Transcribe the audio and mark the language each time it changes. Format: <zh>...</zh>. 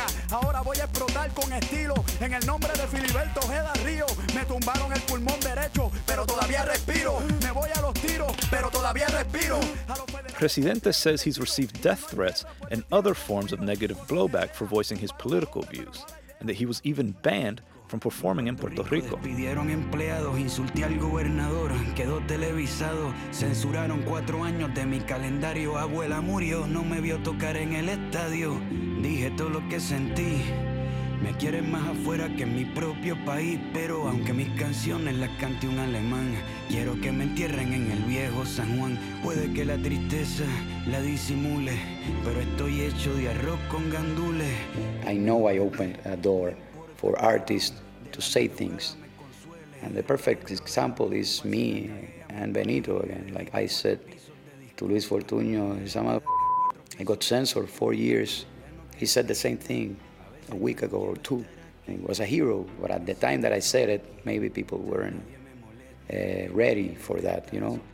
<es>Ahora voy a explotar con estilo en el nombre de Filiberto Ojeda Río. Me tumbaron el pulmón derecho, pero todavía respiro. Me voy a los tiros, pero todavía respiro.</es> <en>Residente says he's received death threats and other forms of negative blowback for voicing his political views, and that he was even banned from performing in Puerto Rico.</en> <es>Pidieron empleados, insulté al gobernador, quedó televisado, censuraron 4 años de mi calendario, abuela murió, no me vio tocar en el estadio, dije todo lo que sentí, me quieren más afuera que en mi propio país, pero aunque mis canciones las cante un alemán, quiero que me entierren en el viejo San Juan, puede que la tristeza la disimule, pero estoy hecho de arroz con gandules.</es> <en>I know I opened a door for artists to say things. And the perfect example is me and Benito again. Like I said to Luis Fortuño, I'm a I got censored 4 years. He said the same thing a week ago or two. And he was a hero, but at the time that I said it, maybe people weren't ready for that, you know?</en>